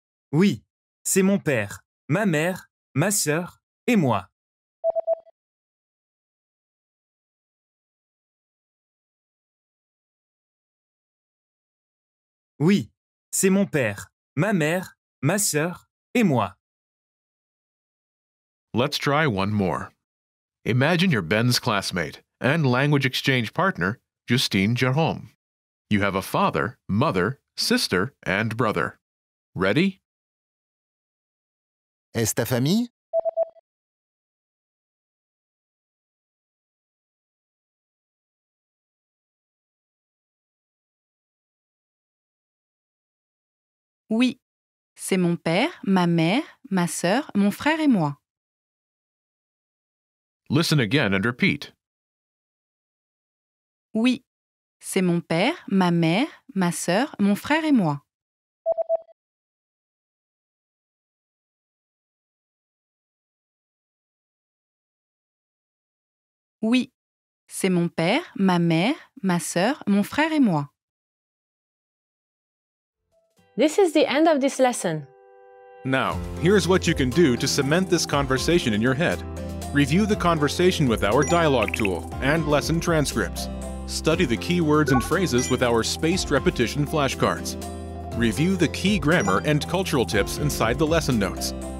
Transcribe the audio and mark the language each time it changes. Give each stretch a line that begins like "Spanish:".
French: Oui, c'est mon père, ma mère, ma sœur et moi. Oui, c'est mon père, ma mère, ma sœur et moi.
English: Let's try one more. Imagine you're Ben's classmate and language exchange partner, Justine Jerome. You have a father, mother, sister, and brother. Ready?
French: Est-ce ta famille? Oui, c'est mon père, ma mère, ma sœur, mon frère et moi.
English: Listen again and repeat.
French: Oui, c'est mon père, ma mère, ma sœur, mon frère et moi. Oui, c'est mon père, ma mère, ma sœur, mon frère et moi.
English: This is the end of this lesson. Now, here's what you can do to cement this conversation in your head. Review the conversation with our dialogue tool and lesson transcripts. Study the key words and phrases with our spaced repetition flashcards. Review the key grammar and cultural tips inside the lesson notes.